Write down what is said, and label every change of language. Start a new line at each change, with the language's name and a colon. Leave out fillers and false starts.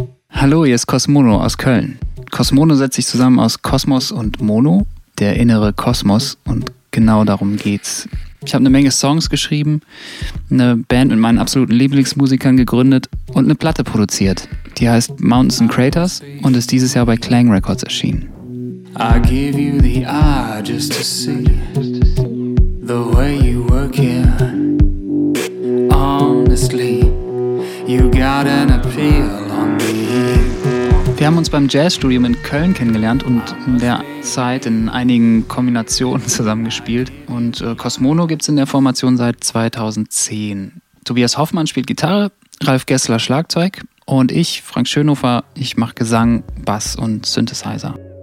German: Hallo, hier ist Cosmono aus Köln. Cosmono setzt sich zusammen aus Kosmos und Mono, der innere Kosmos, und genau darum geht's. Ich habe eine Menge Songs geschrieben, eine Band mit meinen absoluten Lieblingsmusikern gegründet und eine Platte produziert. Die heißt Mountains and Craters und ist dieses Jahr bei Klang Records erschienen.
English: I give you the eye just to see the way you work here. Honestly, you got an appeal on me.
German: Wir haben uns beim Jazzstudium in Köln kennengelernt und in der Zeit in einigen Kombinationen zusammengespielt. Und Cosmono gibt es in der Formation seit 2010. Tobias Hoffmann spielt Gitarre, Ralf Gessler Schlagzeug und ich, Frank Schönhofer, ich mache Gesang, Bass und Synthesizer.